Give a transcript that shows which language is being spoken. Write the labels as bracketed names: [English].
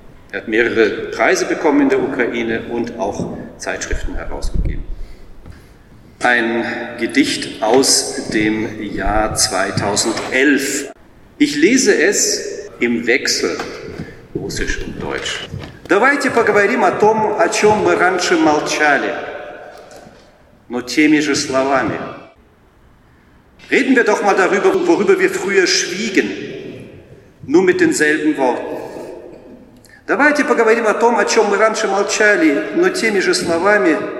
[German] Er hat mehrere Preise bekommen in der Ukraine und auch Zeitschriften herausgegeben. Ein Gedicht aus dem Jahr 2011. Ich lese es im Wechsel, Russisch und Deutsch. [Russian] Давайте поговорим о том, о чем мы раньше молчали, но теми же словами. [German] Reden wir doch mal darüber, worüber wir früher schwiegen, nur mit denselben Worten. [Russian] Давайте поговорим о том, о чем мы раньше молчали, но теми же словами.